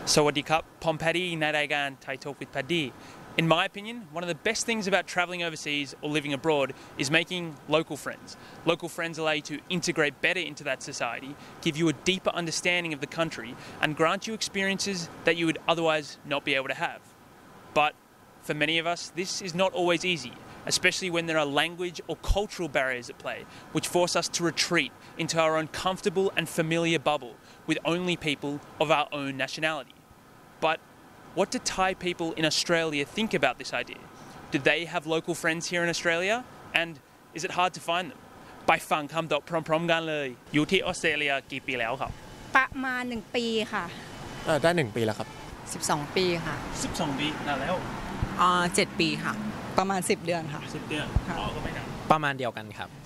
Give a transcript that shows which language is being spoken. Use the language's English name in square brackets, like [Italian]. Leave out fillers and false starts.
[Thai] สวัสดีครับ พอมแพดดี้ ในรายการ Thai Talk with Paddy. [English] In my opinion, one of the best things about traveling overseas or living abroad is making local friends. Local friends allow you to integrate better into that society, give you a deeper understanding of the country, and grant you experiences that you would otherwise not be able to have. But for many of us, this is not always easy, especially when there are language or cultural barriers at play, which force us to retreat into our own comfortable and familiar bubble with only people of our own nationality. But what do Thai people in Australia think about this idea? Do they have local friends here in Australia? And is it hard to find them? [Thai] ไปฟังคำตอบพร้อมๆกันเลยอยู่ที่ออสเตรเลียกี่ปีแล้วครับ ประมาณ1ปีค่ะ ได้1ปีแล้วครับ 12ปีค่ะ 12ปีนานแล้ว 7ปีค่ะ ประมาณ10เดือนค่ะ 10เดือน ค่ะ ก็ไม่นาน ประมาณเดียวกันครับ